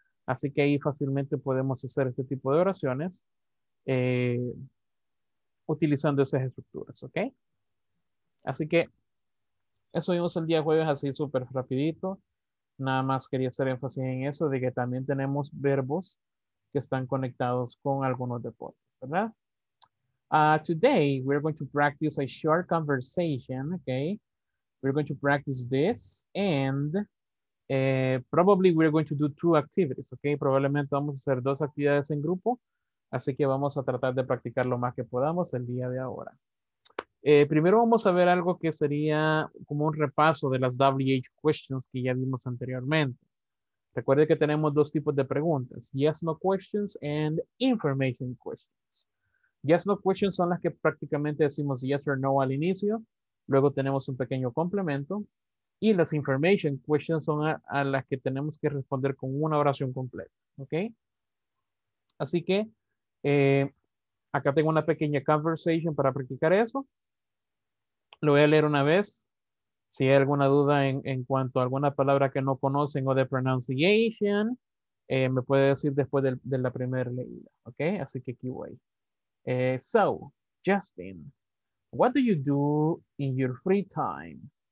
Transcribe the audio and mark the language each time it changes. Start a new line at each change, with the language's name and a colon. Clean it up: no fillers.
Spanish: Así que ahí fácilmente podemos hacer este tipo de oraciones utilizando esas estructuras, ¿ok? Así que eso vimos el día jueves así súper rapidito. Nada más quería hacer énfasis en eso, de que también tenemos verbos que están conectados con algunos deportes, ¿verdad?
English: Today we're going to practice a short conversation, ¿ok? We're going to practice this and probably we're going to do two activities, okay?
Spanish: Probablemente vamos a hacer dos actividades en grupo, así que vamos a tratar de practicar lo más que podamos el día de ahora. Primero vamos a ver algo que sería como un repaso de las WH questions que ya vimos anteriormente. Recuerde que tenemos dos tipos de preguntas,
English: yes, no questions and information questions.
Spanish: Yes, no questions son las que prácticamente decimos
English: yes or no
Spanish: al inicio. Luego tenemos un pequeño complemento. Y las information questions son a las que tenemos que responder con una oración completa. ¿Ok? Así que acá tengo una pequeña conversation para practicar eso. Lo voy a leer una vez. Si hay alguna duda en cuanto a alguna palabra que no conocen o de pronunciation, me puede decir después de la primera leída. ¿Ok? Así que aquí voy.
English: So, Justin, what do you do in your free time?